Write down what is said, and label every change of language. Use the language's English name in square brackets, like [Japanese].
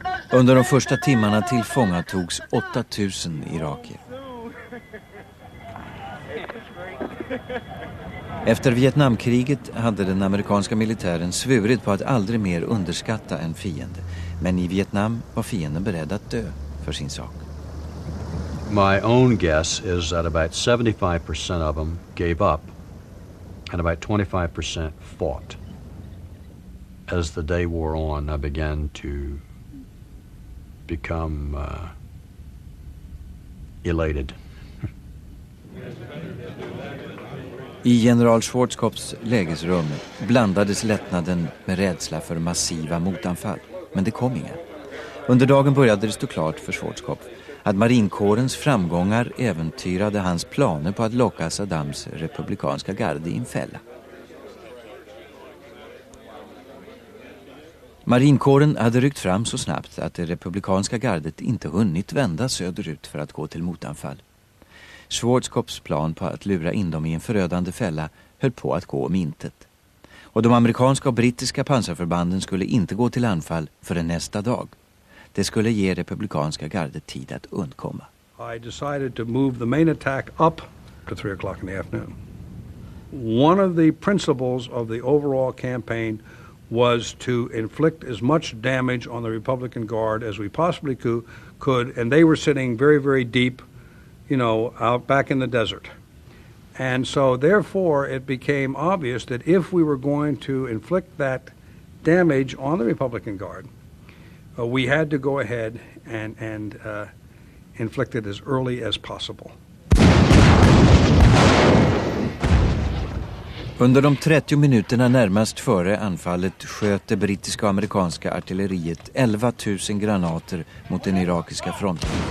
[Swedish] Under de första timmarna tillfångatogs 8000 irakier. Efter Vietnamkriget hade den amerikanska militären svurit på att aldrig mer underskatta en fiende. Men i Vietnam var fienden beredd att dö för sin sak. [English] My own guess is that about 75% of them gave up and about 25% fought. As the day wore on, I began to become elated. [Swedish] I general Schwarzkopfs lägesrum blandades lättnaden med rädsla för massiva motanfall, men det kom inga. Under dagen började det stå klart för Schwarzkopf att marinkårens framgångar äventyrade hans planer på att locka Saddams republikanska garde i en fälla. Marinkåren hade ryckt fram så snabbt att det republikanska gardet inte hunnit vända söderut för att gå till motanfall. Schwarzkopfs plan på att lura in dem i en förödande fälla höll på att gå om intet. Och de amerikanska och brittiska pansarförbanden skulle inte gå till anfall förrän nästa dag. Det skulle ge republikanska gardet tid att undkomma. [English] I decided to move the main attack up to 3 o'clock in the afternoon. One of the principles of the overall campaign was to inflict as much damage on the Republican Guard as we possibly could, and they were sitting very, very deep, you know, out back in the desert. And so, therefore, it became obvious that if we were going to inflict that damage on the Republican Guard, we had to go ahead and inflict it as early as possible. [Swedish] Under de 30 minuterna närmast före anfallet sköt det brittiska och amerikanska artilleriet 11 000 granater mot den irakiska fronten.